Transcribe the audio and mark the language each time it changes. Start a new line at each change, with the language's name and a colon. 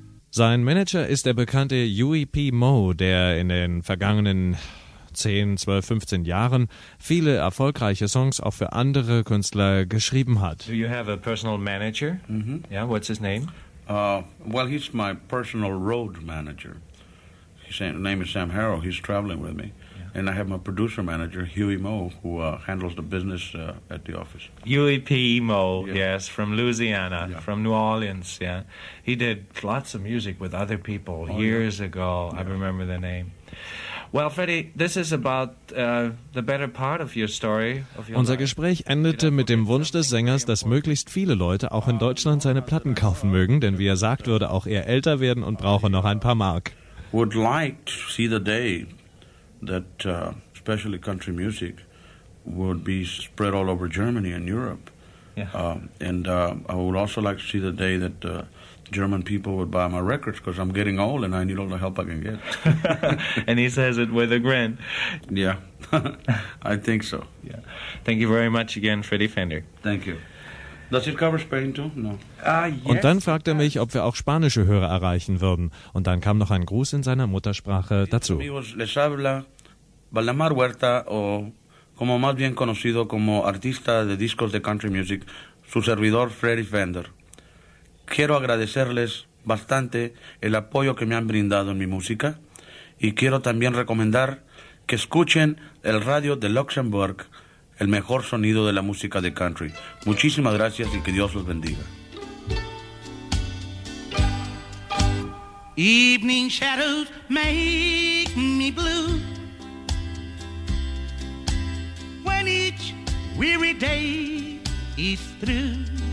German: Sein Manager ist der bekannte Huey P. Moe, der in den vergangenen 10, 12, 15 Jahren viele erfolgreiche Songs auch für andere Künstler geschrieben hat.
English: Do you have a personal manager? Mm-hmm. Yeah, what's his name? Well, he's my personal road manager. His name is Sam Harrow. He's traveling with me. Yeah. And I have my producer manager, Huey Moe, who handles the business at the office. Huey P. Moe, yes, from Louisiana, yeah. From New Orleans, yeah. He did lots of music with other people years ago. Yeah. I remember the name. Well, Freddie, this is about the better part of your story.
German: Unser Gespräch endete mit dem Wunsch des Sängers, dass möglichst viele Leute auch in Deutschland seine Platten kaufen mögen, denn wie er sagt, würde auch er älter werden und brauche noch ein paar Mark.
English: Would like to see the day that especially country music would be spread all over Germany and Europe. Yeah. I would also like to see the day that German people would buy my records, because I'm getting old and I need all the help I can get. And he says it with a grin. Yeah, I think so. Yeah, thank you very much again, Freddie Fender. Thank you. Does it cover Spain too? No. Yes,
German: und dann fragte er mich, ob wir auch spanische Hörer erreichen würden. Und dann kam noch ein Gruß in seiner Muttersprache dazu.
Spanish: Les habla Valdemar Huerta, o como más bien conocido como artista de discos de country music, su servidor Freddie Fender. Quiero agradecerles bastante el apoyo que me han brindado en mi música y quiero también recomendar que escuchen el radio de Luxembourg, el mejor sonido de la música de country. Muchísimas gracias y que Dios los bendiga.
English: Evening shadows make me blue when each weary day is through.